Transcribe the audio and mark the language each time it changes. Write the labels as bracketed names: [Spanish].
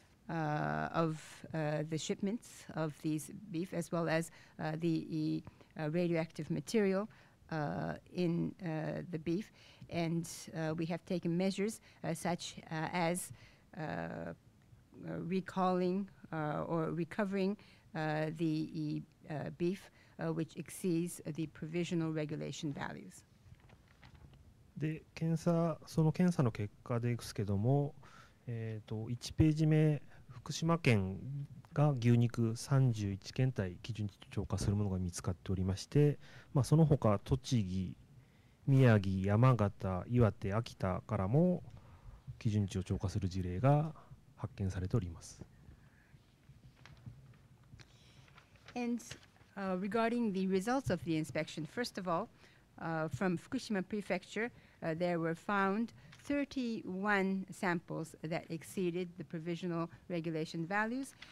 [English] of the shipments of these beef, as well as the radioactive material in the beef. And we have taken measures such as recalling or recovering the beef which exceeds the provisional regulation values. [Japanese] で、検査、その検査の結果ですけども、1ページ目、福島県が牛肉31検体基準値超過するものが見つかっておりまして、まあ、その他栃木、宮城、山形、岩手、秋田からも基準値を超過する事例が発見されております。 [English] And, regarding the results of the inspection, first of all, from Fukushima Prefecture, there were found 31 samples that exceeded the provisional regulation values.